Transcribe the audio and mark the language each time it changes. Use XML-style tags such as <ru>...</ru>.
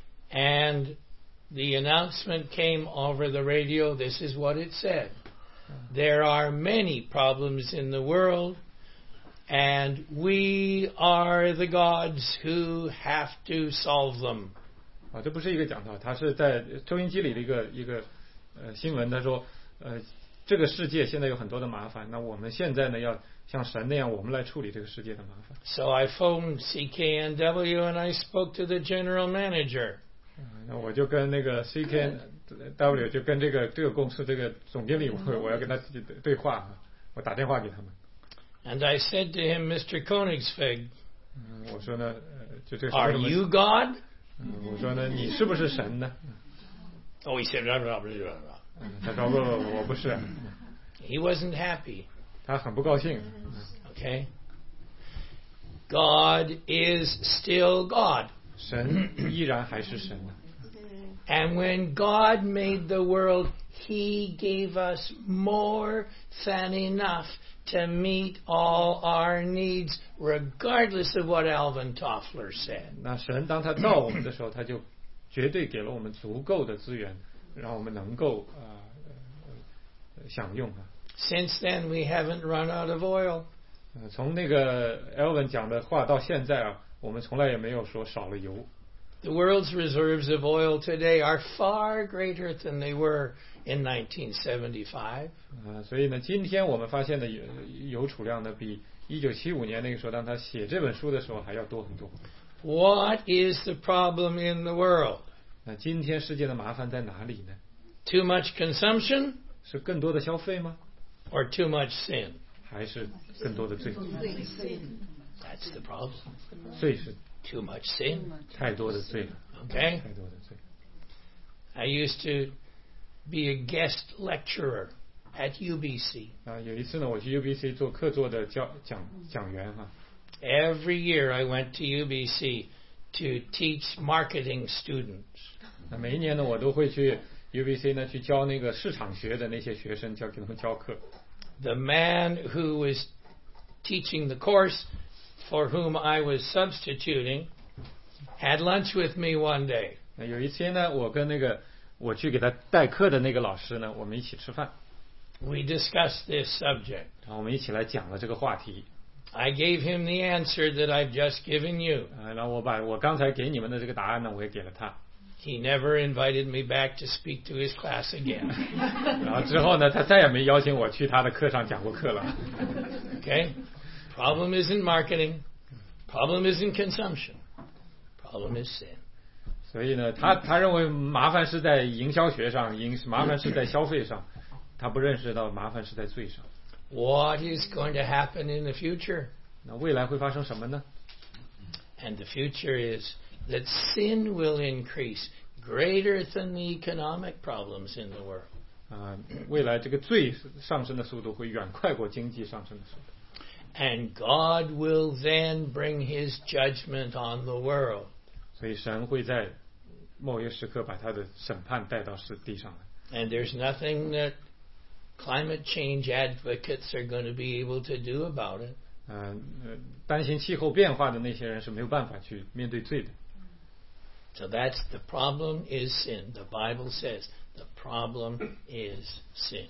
<en>And the announcement came over the radio. This is what it said. There are many problems in the world, and we are the gods who have to solve them.</en> <zh>啊，这不是一个讲道，他是在收音机里的一个新闻。他说，这个世界现在有很多的麻烦，那我们现在呢要像神那样，我们来处理这个世界的麻烦。</zh> <en>So I phoned CKNW and I spoke to the general manager.</en> <zh>那我就跟那个 CKNW 就跟这个公司这个总经理，我要跟他对话，我打电话给他们。</zh> <en>And I said to him, Mr. Koenigsegg.</en> <zh>我说呢，就这。</zh> <en>Are you God?</en> <zh>我说呢，你是不是神呢</zh> <en>？Oh, he said, "No, no, no, no."</en> <zh>他说不，我不是。</zh> <en>He wasn't happy.</en> <zh>他很不高兴。</zh> <en>Okay. God is still God.</en> <zh>神依然还是神啊。</zh> <en>And when God made the world, He gave us more than enough to meet all our needs, regardless of what Alvin Toffler said.</en> <zh>那神当他造我们的时候，他就绝对给了我们足够的资源，让我们能够享用啊。</zh> <en>Since then, we haven't run out of oil.</en> <zh>从那个 Alvin 讲的话到现在啊。我们从来也没有说少了油。</zh> <en>The world's reserves of oil today are far greater than they were in 1975.</en> <zh>所以呢，今天我们发现的油储量呢，比1975年那个时候，当他写这本书的时候还要多很多。</zh> <en>What is the problem in the world?</en> <zh>那今天世界的麻烦在哪里呢</zh> <en>？Too much consumption?</en> <zh>是更多的消费吗</zh> <en>？Or too much sin?</en> <zh>还是更多的罪？</zh> <en>That's the problem.</en> <zh>罪是</zh> <en>too much sin.</en> <zh>太多的罪了。</zh> <en>Okay.</en> <zh>太多的罪。</zh> <en>I used to be a guest lecturer at UBC.</en> <zh>有一次呢，我去 UBC 做客座的讲员哈。</zh> <en>Every year I went to UBC to teach marketing students.</en> <zh>那每一年呢，我都会去 UBC 呢去教那个市场学的那些学生，教给他们教课。</zh> <en>The man who was teaching the course. For whom I was substituting, had lunch with me one day.</en> <zh>有一天呢，我跟那个我去给他代课的那个老师呢，我们一起吃饭。</zh> <en>We discussed this subject.</en> <zh>然后我们一起来讲了这个话题。</zh> <en>I gave him the answer that I've just given you.</en> <zh>然后我把我刚才给你们的这个答案呢，我也给了他。</zh> <en>He never invited me back to speak to his class again.</en> <zh>然后之后呢，他再也没邀请我去他的课上讲过课了。</zh> <en>Okay. Problem isn't marketing. Problem isn't consumption. Problem is sin.</en> <zh>所以呢，他认为麻烦是在营销学上，麻烦是在消费上，他不认识到麻烦是在罪上。</zh> <en>What is going to happen in the future?</en> <zh>那未来会发生什么呢？</zh> <en>And the future is that sin will increase greater than the economic problems in the world.</en> <zh>未来这个罪上升的速度会远快过经济上升的速度。</zh> <en>And God will then bring His judgment on the world.</en> <zh>所以神会在某一时刻把他的审判带到地上来。</zh> <en>And there's nothing that climate change advocates are going to be able to do about it.</en> <zh>担心气候变化的那些人是没有办法去面对罪的。</zh> <en>So that's the problem is sin. The Bible says the problem is sin.</en>